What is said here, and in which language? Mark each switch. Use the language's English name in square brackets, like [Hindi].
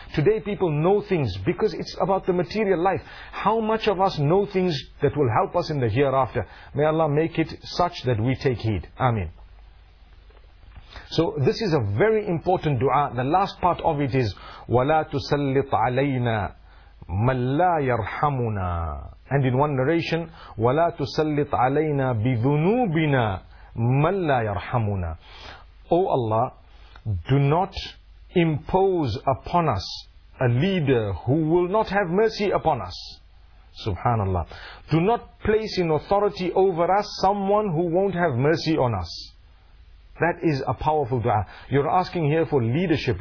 [English] Today people know things because it's about the material life. How much of us know things that will help us in the hereafter? May Allah make it such that we take heed. Ameen. So this is a very important dua. The last part of it is, [Arabic] وَلَا تُسَلِّطْ عَلَيْنَا مَنْ لَا يَرْحَمُنَا. [English] And in one narration, [Arabic] وَلَا تُسَلِّطْ عَلَيْنَا بِذُنُوبِنَا مَنْ لَا يَرْحَمُنَا. [English] O Allah, do not impose upon us a leader who will not have mercy upon us. Subhanallah. Do not place in authority over us someone who won't have mercy on us. That is a powerful dua. You're asking here for leadership.